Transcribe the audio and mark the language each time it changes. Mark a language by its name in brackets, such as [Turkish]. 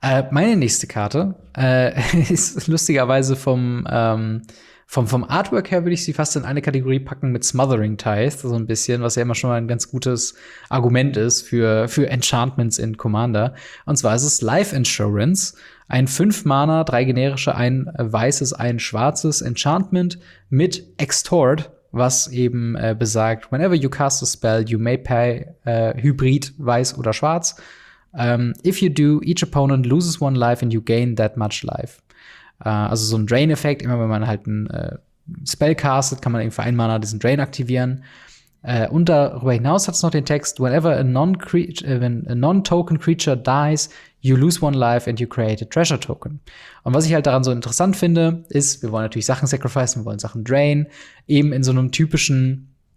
[German] Meine nächste Karte ist lustigerweise vom Artwork her würde ich sie fast in eine Kategorie packen mit Smothering Tithe, so ein bisschen, was ja immer schon mal ein ganz gutes Argument ist für Enchantments in Commander. Und zwar ist es Life Insurance. Ein 5-Mana, 3 generische, ein weißes, ein schwarzes Enchantment mit Extort, was eben besagt, [English] whenever you cast a spell, you may pay Hybrid, [German] weiß oder schwarz. [English] If you do, each opponent loses one life and you gain that much life. [German] Also so ein Drain-Effekt, immer wenn man halt einen Spell castet, kann man eben für 1 Mana diesen Drain aktivieren. Und darüber hinaus hat es noch den Text, [English] whenever a non-token creature dies, you lose one life and you create a treasure token. [German] Und was ich halt daran so interessant finde, ist, wir wollen natürlich Sachen sacrificen, wir wollen Sachen drain. Eben in so einem typischen